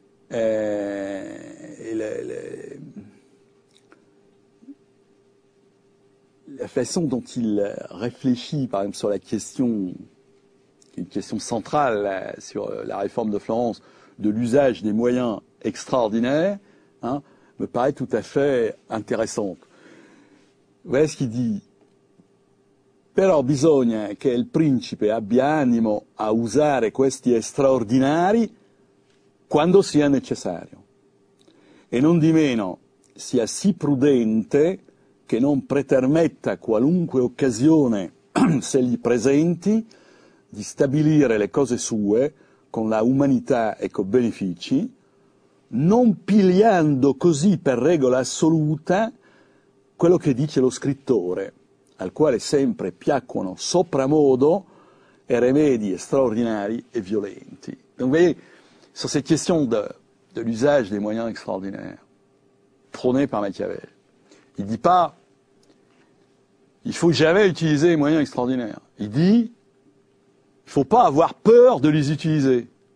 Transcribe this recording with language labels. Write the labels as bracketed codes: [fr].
[fr] La façon dont il réfléchit, par exemple, sur la question, une question centrale sur la réforme de Florence, de l'usage des moyens extraordinaires, hein, me paraît tout à fait intéressante. Voilà ce qu'il dit. [it] Però bisogna che il principe abbia animo a usare questi straordinari quando sia necessario. E non di meno sia si prudente che non pretermetta qualunque occasione se gli presenti di stabilire le cose sue con la umanità e con benefici, non pigliando così per regola assoluta quello che dice lo scrittore, al quale sempre piacquono sopramodo e remedi straordinari e violenti. [fr] Donc vous voyez, sur cette question de l'usage des moyens extraordinaires, prônée par Machiavel, Il ne dit pas il faut jamais utiliser les moyens extraordinaires. Il dit il ne faut pas avoir peur de les utiliser.